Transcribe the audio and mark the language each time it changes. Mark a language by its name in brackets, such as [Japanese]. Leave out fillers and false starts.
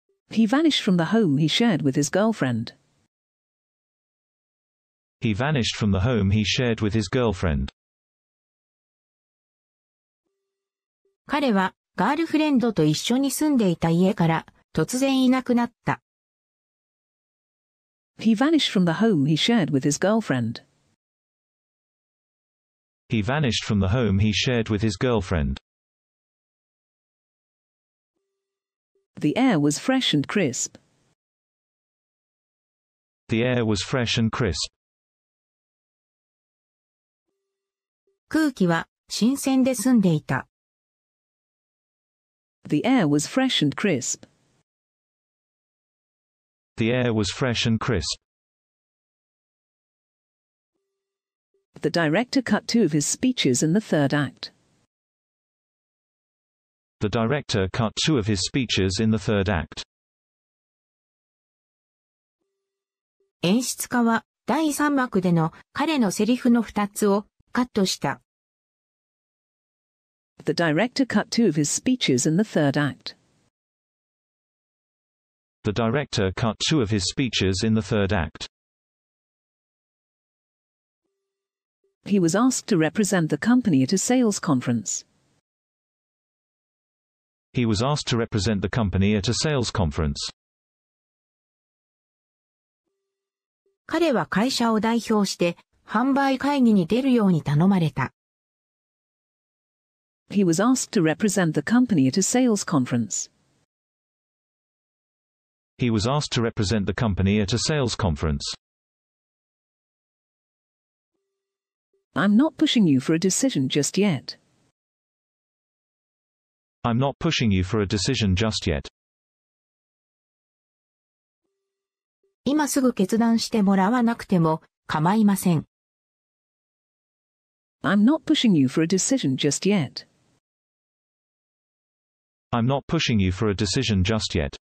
[English] He vanished from the home he shared with his girlfriend. He vanished from the home he shared with his girlfriend. [Japanese] 彼はガールフレンドと一緒に住んでいた家から突然いなくなった。 [English] He vanished from the home he shared with his girlfriend. He vanished from the home he shared with his girlfriend. The air was fresh and crisp. The air was fresh and crisp. [Japanese] 空気は新鮮で澄んでいた。 [English] The air was fresh and crisp. The air was fresh and crisp. The director cut two of his speeches in the third act. The director cut two of his speeches in the third act. [Japanese] 演出家は第三幕での彼のセリフの二つをカットした。 [English] The director cut two of his speeches in the third act. The director cut two of his speeches in the third act. He was asked to represent the company at a sales conference. He was asked to represent the company at a sales conference. [Japanese] 彼は会社を代表して販売会議に出るように頼まれた。 [English] He was asked to represent the company at a sales conference. He was asked to represent the company at a sales conference. I'm not pushing you for a decision just yet. I'm not pushing you for a decision just yet. [Japanese] 今すぐ決断してもらわなくても構いません。 [English] I'm not pushing you for a decision just yet. I'm not pushing you for a decision just yet.